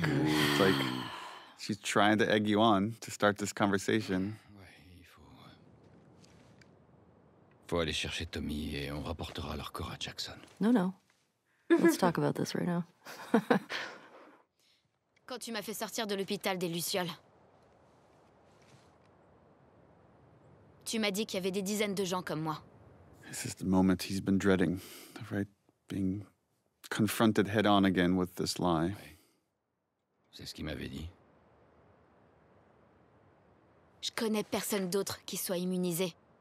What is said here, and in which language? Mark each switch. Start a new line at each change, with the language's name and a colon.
English: It's like she's trying to egg you on to start this conversation.
French: Faut aller chercher Tommy et on rapportera leur corps à Jackson.
English: No, no. Let's talk about this right now.
French: Quand tu m'as fait sortir de l'hôpital des Lucioles, tu m'as dit qu'il y avait des dizaines de gens comme moi.
English: This is the moment he's been dreading, right? Being confronted head on again with this lie.
French: Oui. C'est ce qu'il m'avait dit. Je connais personne d'autre qui soit immunisé.